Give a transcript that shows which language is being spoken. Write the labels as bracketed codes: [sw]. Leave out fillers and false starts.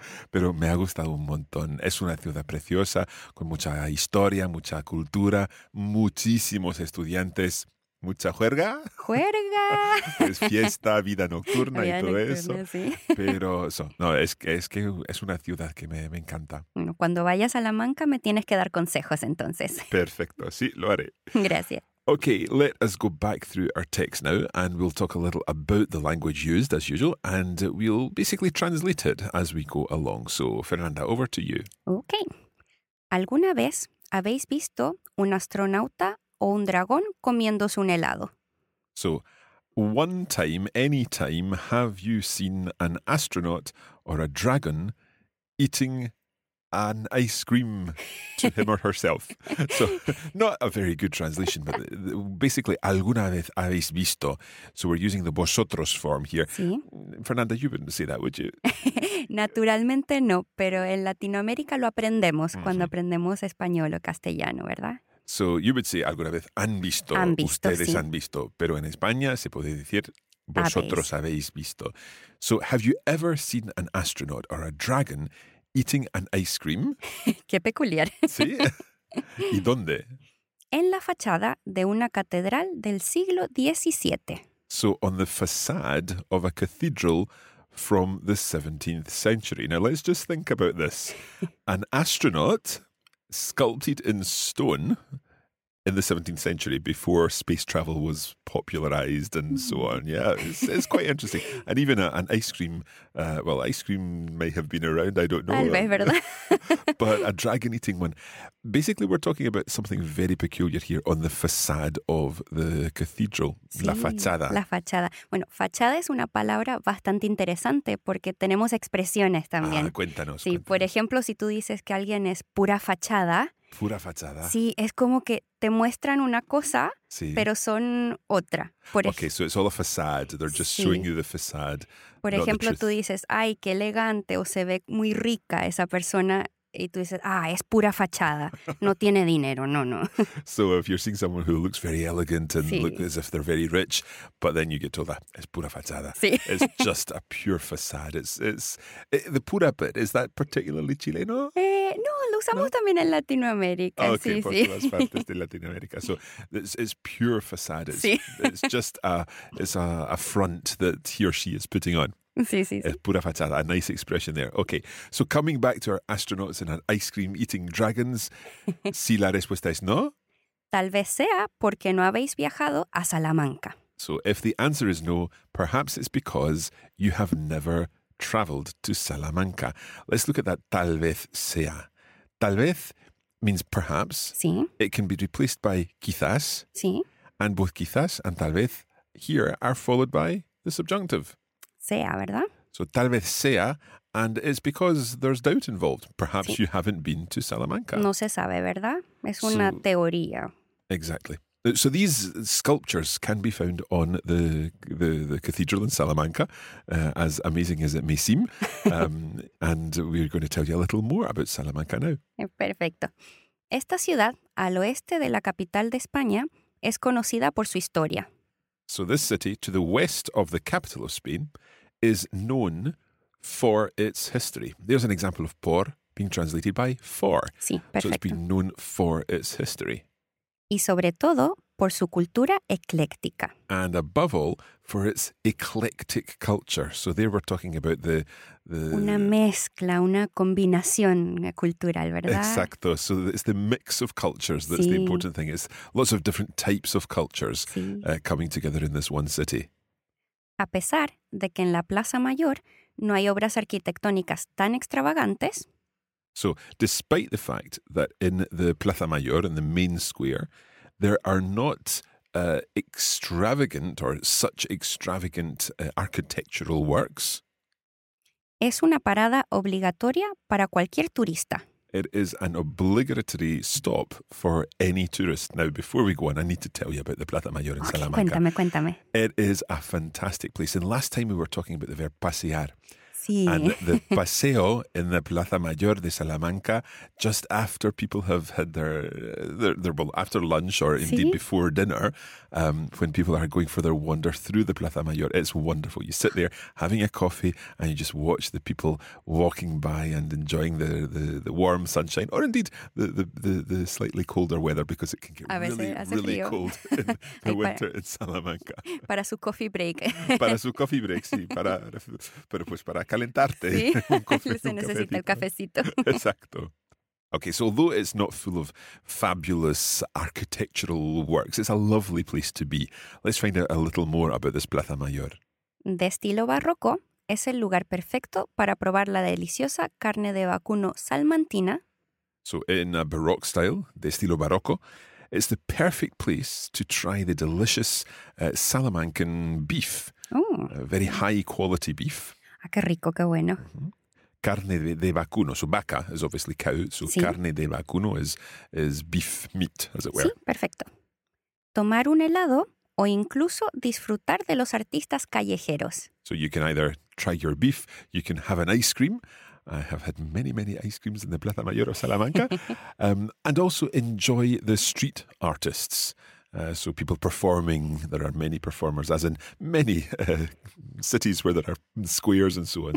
[es] Pero me ha gustado un montón. Es una ciudad preciosa, con mucha historia, mucha cultura, muchísimos estudiantes. Mucha juerga. ¡Juerga! Es fiesta, vida nocturna vida y todo nocturna, eso. Sí. Pero eso, no, es que es una ciudad que me encanta. Bueno, cuando vayas a Salamanca me tienes que dar consejos entonces. Perfecto, sí, lo haré. Gracias. [en] Okay, let us go back through our text now and we'll talk a little about the language used as usual and we'll basically translate it as we go along. So, Fernanda, over to you. Okay. [es] ¿Alguna vez habéis visto un astronauta o un dragón comiéndose un helado? [en] So, one time, any time, have you seen an astronaut or a dragon eating an ice cream to him or herself? So, not a very good translation, but basically, [es] ¿alguna vez habéis visto? [en] So, we're using the vosotros form here. [es] ¿Sí? [en] Fernanda, you wouldn't say that, would you? [es] Naturalmente no, pero en Latinoamérica lo aprendemos mm-hmm. cuando aprendemos español o castellano, ¿verdad? [en] So you would say [es] alguna vez han visto, han visto, pero en España se puede decir vosotros habéis visto. [en] So have you ever seen an astronaut or a dragon eating an ice cream? [es] Qué peculiar. Sí. ¿Y dónde? En la fachada de una catedral del siglo XVII. [en] So on the facade of a cathedral from the 17th century. Now let's just think about this. An astronaut sculpted in stone in the 17th century before space travel was popularized and so on. Yeah, it's quite interesting. And even an ice cream, ice cream may have been around, I don't know. [es] Tal vez, ¿verdad? [en] But a dragon eating one. Basically, we're talking about something very peculiar here on the facade of the cathedral. [es] Sí, la fachada. La fachada. Bueno, fachada es una palabra bastante interesante porque tenemos expresiones también. Ah, cuéntanos. Sí, cuéntanos. Por ejemplo, si tú dices que alguien es pura fachada. Pura fachada. Sí, es como que te muestran una cosa, sí. pero son otra. Por [en] so it's all a facade. They're just [es] sí. [en] showing you the facade. [es] Por ejemplo, tú dices, ay, qué elegante, o se ve muy rica esa persona. Y tú dices, ah, es pura fachada. No tiene dinero, no. [en] So if you're seeing someone who looks very elegant and [es] sí. [en] looks as if they're very rich, but then you get told that [es] es pura fachada. Sí. [en] It's just a pure facade. It's the pura bit, is that particularly Chileno? [es] No, lo usamos no? también en Latinoamérica. [en] Okay, [es] sí, porque sí. las partes de Latinoamérica. [en] So it's pure facade. It's, [es] sí. [en] it's just a front that he or she is putting on. [es] Sí, sí, sí. [en] Pura fachada, a nice expression there. Okay, so coming back to our astronauts and our ice cream eating dragons, [es] si la respuesta es no. Tal vez sea porque no habéis viajado a Salamanca. [en] So if the answer is no, perhaps it's because you have never traveled to Salamanca. Let's look at that [es] tal vez sea. [en] Tal vez means perhaps. [es] Sí. [en] It can be replaced by quizás. [es] Sí. [en] And both quizás and tal vez here are followed by the subjunctive. [es] Sea, ¿verdad? [en] So, [es] tal vez sea, [en] and it's because there's doubt involved. Perhaps sí. you haven't been to Salamanca. [es] No se sabe, ¿verdad? Es una teoría. [en] Exactly. So, these sculptures can be found on the cathedral in Salamanca, as amazing as it may seem. and we're going to tell you a little more about Salamanca now. [es] Perfecto. Esta ciudad, al oeste de la capital de España, es conocida por su historia. [en] So this city, to the west of the capital of Spain, is known for its history. There's an example of por being translated by for. [es] Sí, perfecto. [en] So it's been known for its history. [es] Y sobre todo por su cultura ecléctica. [en] And above all, for its eclectic culture. So there we're talking about the [es] una mezcla, una combinación cultural, ¿verdad? Exacto. [en] So it's the mix of cultures that's sí. The important thing. It's lots of different types of cultures coming together in this one city. [es] A pesar de que en la Plaza Mayor no hay obras arquitectónicas tan extravagantes. [en] So, despite the fact that in the Plaza Mayor, in the main square, there are not extravagant or such extravagant architectural works. [es] Es una parada obligatoria para cualquier turista. [en] It is an obligatory stop for any tourist. Now, before we go on, I need to tell you about the Plaza Mayor in Salamanca. [es] Cuéntame, cuéntame. [en] It is a fantastic place. And last time we were talking about the verb pasear. Sí. And the paseo in the Plaza Mayor de Salamanca, just after people have had their after lunch or indeed before dinner, when people are going for their wander through the Plaza Mayor, it's wonderful. You sit there having a coffee and you just watch the people walking by and enjoying the warm sunshine or indeed the slightly colder weather because it can get really, really cold in the winter in Salamanca. [es] Para su [en] coffee break. [es] Para su [en] coffee break, [es] sí. Para calentarte. Sí, se necesita el cafecito. Exacto. [en] Okay, so although it's not full of fabulous architectural works, it's a lovely place to be. Let's find out a little more about this Plaza Mayor. [es] De estilo barroco, es el lugar perfecto para probar la deliciosa carne de vacuno salmantina. [en] So in a Baroque style, [es] de estilo barroco, [en] it's the perfect place to try the delicious Salamancan beef. Oh. Very high quality beef. [es] Ah, qué rico, qué bueno. Mm-hmm. Carne de vacuno. [en] So vaca is obviously cow. So sí. [es] Carne de vacuno [en] is beef meat, as it were. [es] Sí, perfecto. Tomar un helado o incluso disfrutar de los artistas callejeros. [en] So you can either try your beef, you can have an ice cream. I have had many, many ice creams in the Plaza Mayor of Salamanca. and also enjoy the street artists. So people performing, there are many performers, as in many cities where there are squares and so on.